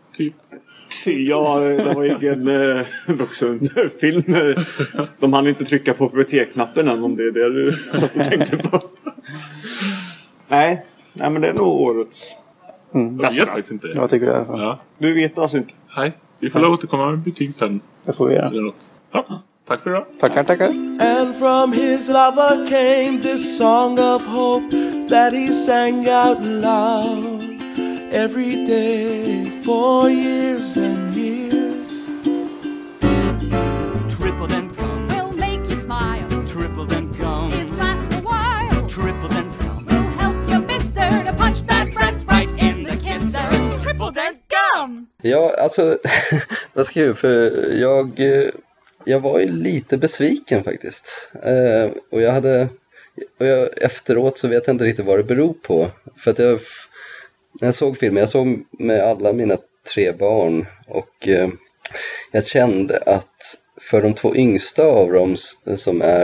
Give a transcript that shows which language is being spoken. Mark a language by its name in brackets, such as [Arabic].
[Swedish] Typ. Ja, det var ingen vuxen film. De hann inte trycka på biblioteknappen än om det är det du satt och tänkte på. Nej, men det är nog årets bästa. Jag vet faktiskt inte. Jag tycker det i alla fall. Ja. Du vet alltså inte. Nej, vi får återkomma med betyg sen. Det får vi göra. Eller något. Ja. Tack för idag. Tackar. [English] And from his lover came this song of hope that he sang out loud every day for years and years. Triple then gum will make you smile. Triple then gum, it lasts a while. Triple then gum will help you, mister, to punch that breath right in the kisser. Triple then gum. [Swedish] Ja, alltså vad ska jag, för jag var ju lite besviken faktiskt. Och jag efteråt så vet jag inte riktigt vad det beror på, för att när jag såg filmen, jag såg med alla mina tre barn och jag kände att för de två yngsta av dem som